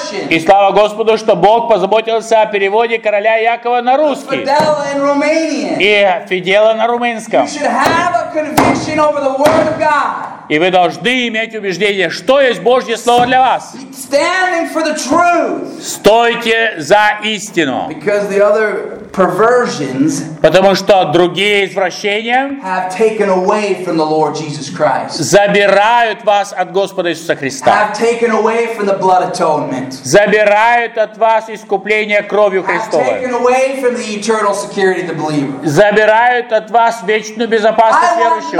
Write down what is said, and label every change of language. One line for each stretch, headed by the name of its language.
Russian: И слава Господу, что Бог позаботился о переводе короля Якова на русский. И Фидела на румынском.
English: Conviction over the word of God.
Russian: И вы должны иметь убеждение, что есть Божье Слово для вас.
English: Standing for the truth.
Russian: Стойте за истину.
English: Because the other perversions
Russian: потому что другие извращения
English: have taken away from the Lord Jesus Christ.
Russian: Забирают вас от Господа Иисуса Христа.
English: Have taken away from the blood atonement.
Russian: Забирают от вас искупление кровью Христовой.
English: Have taken away from the eternal security of the believer.
Russian: Забирают от вас вечную безопасность верующего.